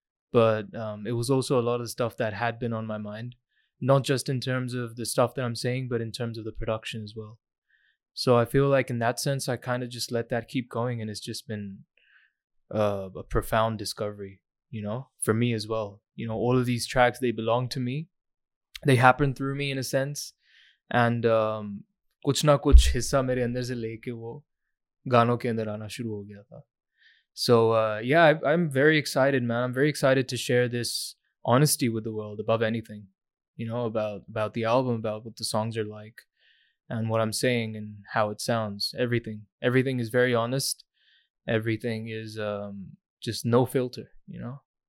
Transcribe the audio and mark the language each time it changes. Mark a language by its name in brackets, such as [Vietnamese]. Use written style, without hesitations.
[English] But it was also a lot of stuff that had been on my mind, not just in terms of the stuff that I'm saying, but in terms of the production as well. So I feel like in that sense, I kind of just let that keep going. And it's just been a profound discovery, you know, for me as well. You know, all of these tracks, they belong to me. They happen through me in a sense. [Hindi] And कुछ न कुछ हिस्सा मेरे अंदर से लेके वो गानों के अंदर आना शुरू हो गया था. [English] So yeah, I'm very excited, man. I'm very excited to share this honesty with the world above anything, you know, about the album, about what the songs are like. And what I'm saying and how it sounds, everything is very honest. Everything is just no filter, you know.